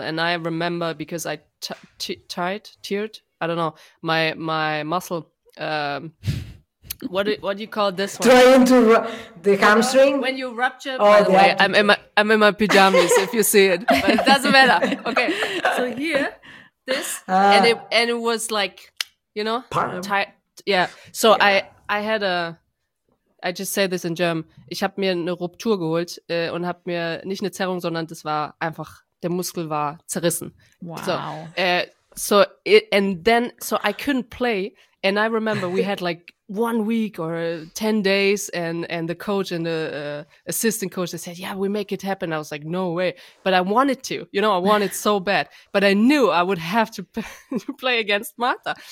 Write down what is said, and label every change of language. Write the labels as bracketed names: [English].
[English] And I remember because I teared, I don't know, my muscle, what do you call this one? Trying to the hamstring? When you rupture, I'm in my pajamas, if you see it, but it doesn't matter. Okay, so here, this, and it was like, you know, tight. Yeah, so yeah. I had a, I just say this in German, [German] ich habe mir eine Ruptur geholt und habe mir nicht eine Zerrung, sondern das war einfach... Der Muskel war zerrissen. [English] Wow. So I couldn't play. And I remember we had like 1 week or 10 days and the coach and the assistant coach, they said, yeah, we make it happen. I was like, no way. But I wanted to, you know, I wanted so bad. But I knew I would have to play against Marta.